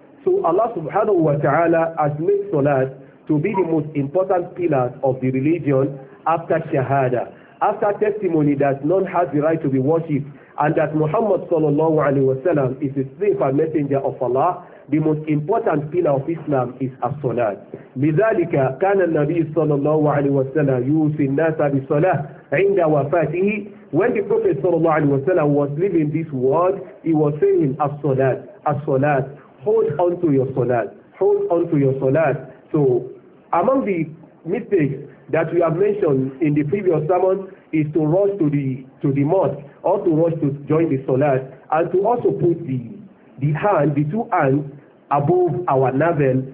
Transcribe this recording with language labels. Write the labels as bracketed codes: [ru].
[en] So Allah subhanahu wa ta'ala has made Salat to be the most important pillar of the religion after Shahada, after testimony that none has the right to be worshipped and that Muhammad sallallahu alayhi wa sallam is a slave and messenger of Allah. The most important pillar of Islam is as-salat. [ar] لذلك كان النبي صلى الله عليه وسلم يوصي الناس بالصلاة عند وفاته. [en] When the Prophet صلى الله عليه وسلم was living this world, he was saying as-salat, as-salat, hold on to your salat, hold on to your salat. So among the mistakes that we have mentioned in the previous sermon is to rush to the mosque or to rush to join the salat and to also put the two hands above our navel.